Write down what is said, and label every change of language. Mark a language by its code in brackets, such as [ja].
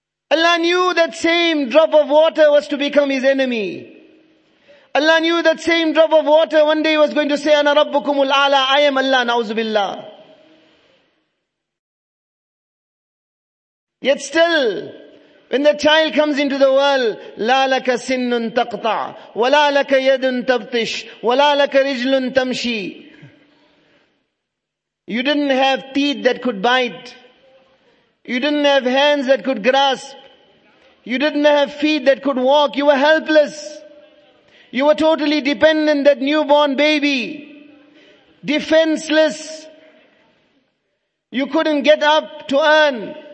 [en] Allah knew that same drop of water was to become his enemy. Allah knew that same drop of water one day was going to say, [ar] Ana Rabbukumul A'la, [en] I am Allah, na'uzu billah. Yet still, when the child comes into the world, [ar] لا لك سن تقطع ولا لك يد تبطش ولا لك رجل تمشي. [en] You didn't have teeth that could bite. You didn't have hands that could grasp. You didn't have feet that could walk. You were helpless. You were totally dependent, that newborn baby. Defenseless. You couldn't get up to earn.